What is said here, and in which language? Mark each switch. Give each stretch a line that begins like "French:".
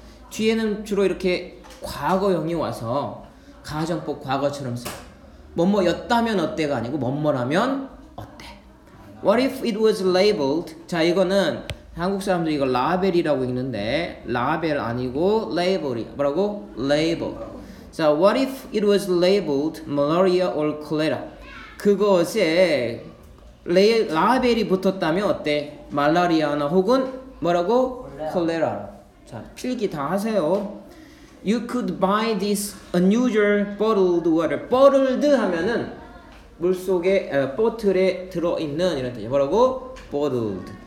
Korean: 뒤에는 주로 이렇게 과거형이 와서 가정법 과거처럼 써. 뭐뭐였다면 어때가 아니고 뭐뭐라면 어때.
English: What if it was labeled?
Korean: 자, 이거는 한국 사람들이 이거 라벨이라고 읽는데 라벨 아니고 레이블이야. 뭐라고? 레이블. 자,
English: what if it was labeled malaria or cholera?
Korean: 그것에 라벨이 붙었다면 어때? 말라리아나 혹은 뭐라고? 콜레라. 자, 필기 다 하세요.
English: You could buy this unusual bottled water.
Korean: Bottled 하면은 물 속에 bottle에 들어 있는 이런 뜻이에요. 뭐라고? Bottled.